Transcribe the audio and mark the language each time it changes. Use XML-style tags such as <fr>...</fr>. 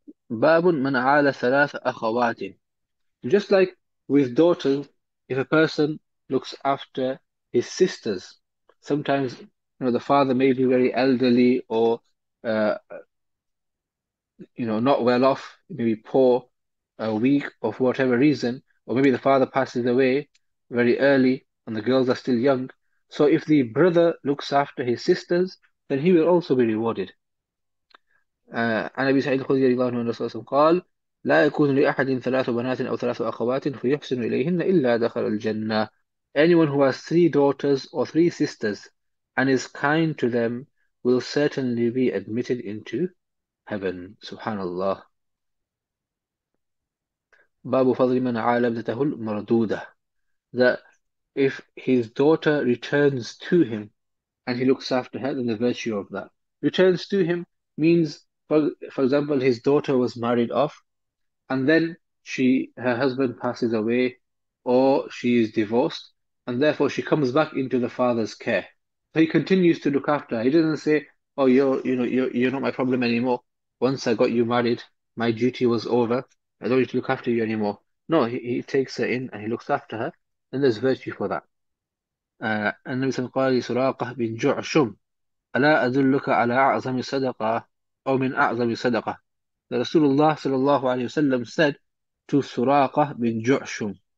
<ar>Babun man aala thalatha akhawatin.</ar> <en>Just like with daughters, if a person looks after his sisters, sometimes the father may be very elderly or not well off, maybe poor, weak, or for whatever reason, or maybe the father passes away very early and the girls are still young. So if the brother looks after his sisters, then he will also be rewarded.</en> <ar>عن أبي سعيد الخدري رضي الله عنه رسول الله قال لا يكون لأحد ثلاث بنات أو ثلاث أخوات فيحسن إليهن إلا دخل الجنة.</ar> <en>Anyone who has three daughters or three sisters and is kind to them will certainly be admitted into heaven. Subhanallah.</en> <ar>باب فضل من عالى ابنته المردودة.</ar> <en>That if his daughter returns to him and he looks after her, then the virtue of that. Returns to him means, for example, his daughter was married off and then her husband passes away or she is divorced and therefore she comes back into the father's care. So he continues to look after her. He doesn't say, oh, you're not my problem anymore. Once I got you married, my duty was over. I don't need to look after you anymore. No, he takes her in and he looks after her. And there's virtue for that.</en> <ar>النبي صلى الله عليه وسلم قال لسراقة بن جعشم ألا أدلك على أعظم صدقة أو من أعظم صدقة.</ar> <en>The Rasulullah</en> <ar>صلى الله عليه وسلم</ar> <en>said to سراقة بن جعشم.</en>